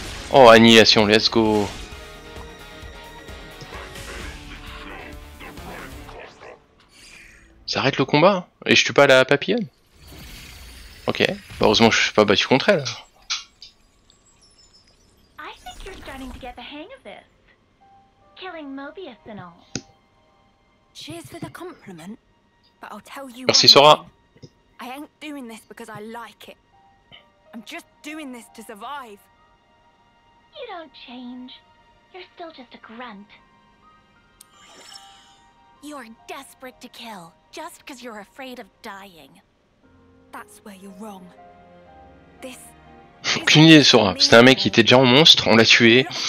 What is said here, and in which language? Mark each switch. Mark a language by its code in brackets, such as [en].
[en] Oh, annihilation, let's go. [fr] Arrête le combat et je tue pas la papillonne. Ok, bah heureusement je suis pas battu contre elle. [en] I think you're starting to get the hang of this. Killing Mobius and all. Cheers for the compliment, but I'll tell you. [fr] Merci Sora. [en] I ain't doing this because I like it. I'm just doing this to survive. You don't change. You're still just a grunt. You're desperate to kill, just because you're afraid of dying. That's where you're wrong. This... [fr] Aucune idée, Sora. C'était un mec qui était déjà en monstre, on l'a tué.